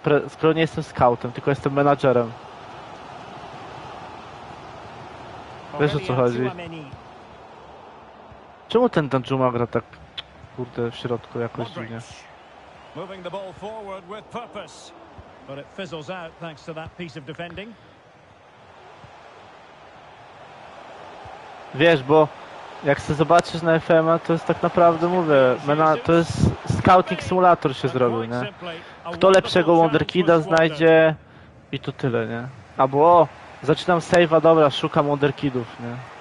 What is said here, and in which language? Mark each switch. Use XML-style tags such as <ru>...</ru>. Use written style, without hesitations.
<pl>Skoro nie jestem skautem, tylko jestem menadżerem. Wiesz o co chodzi? Czemu ten Danjuma gra tak, kurde, w środku jakoś dziwnie?</pl> <en>Moving the ball forward with purpose, but it fizzles out thanks to that piece of defending.</en> <pl>Wiesz, bo jak se zobaczysz na FM-a, to jest tak naprawdę, mówię, to jest scouting simulator się zrobił, nie? Kto lepszego wonderkida znajdzie i to tyle, nie? Albo o, zaczynam save'a, dobra, szukam wonderkidów, nie?</pl>